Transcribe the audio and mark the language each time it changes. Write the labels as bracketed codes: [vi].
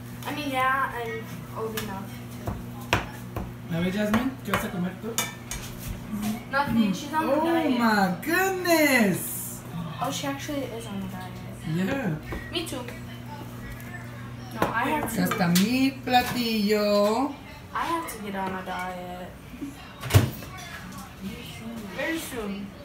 [en] I mean, yeah, I'm old enough. [es] A ver, Jasmine, ¿qué vas a comer tú? [en] Nothing, she's on the diet. Oh my goodness! Oh, she actually is on the diet. Yeah. Me too. No, I have to. [es] Hasta mi platillo. [en] I have to get on a diet. Very soon.